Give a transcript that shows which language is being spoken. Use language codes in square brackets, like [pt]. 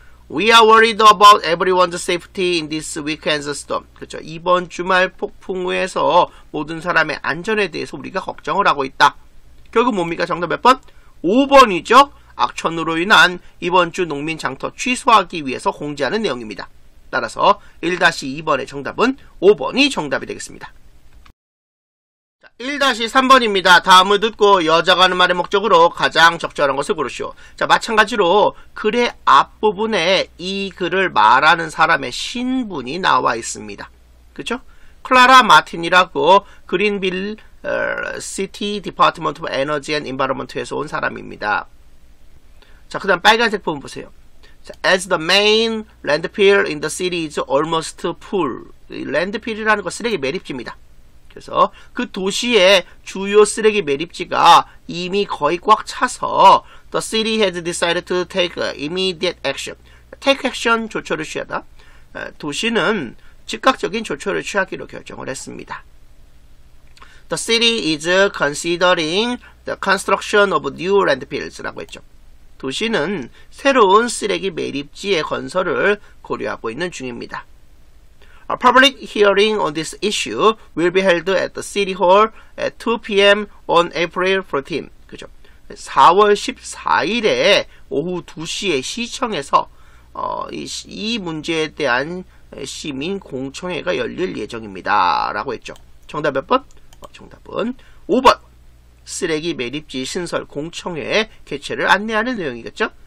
[en] We are worried about everyone's safety in this weekend's storm. [ko] 그렇죠. 이번 주말 폭풍우에서 모든 사람의 안전에 대해서 우리가 걱정을 하고 있다. 결국 뭡니까? 정답 몇 번? 5번이죠. 악천후로 인한 이번 주 농민 장터 취소하기 위해서 공지하는 내용입니다. 따라서 1-2번의 정답은 5번이 정답이 되겠습니다. 1-3번입니다. 다음을 듣고 여자가 하는 말의 목적으로 가장 적절한 것을 고르시오. 자, 마찬가지로 글의 앞부분에 이 글을 말하는 사람의 신분이 나와 있습니다. 그쵸? 클라라 마틴이라고 그린빌 시티 디파트먼트 오브 에너지 앤 인바이런먼트에서 온 사람입니다. 자, 그 다음 빨간색 부분 보세요. [en] As the main landfill in the city is almost full. [ko] 랜드필이라는 거 쓰레기 매립지입니다. 그래서 그 도시의 주요 쓰레기 매립지가 이미 거의 꽉 차서 [en] The city has decided to take immediate action. Take action, [ko] 조처를 취하다. 도시는 즉각적인 조처를 취하기로 결정을 했습니다. [en] The city is considering the construction of new landfills [ko] 라고 했죠. 도시는 새로운 쓰레기 매립지의 건설을 고려하고 있는 중입니다. [en] A public hearing on this issue will be held at the City Hall at 2 PM on April 14. [ko] 그죠? 4월 14일에 오후 2시에 시청에서 이 문제에 대한 시민 공청회가 열릴 예정입니다. 라고 했죠. 정답 몇 번? 정답은 5번. 쓰레기 매립지 신설 공청회 개최를 안내하는 내용이겠죠?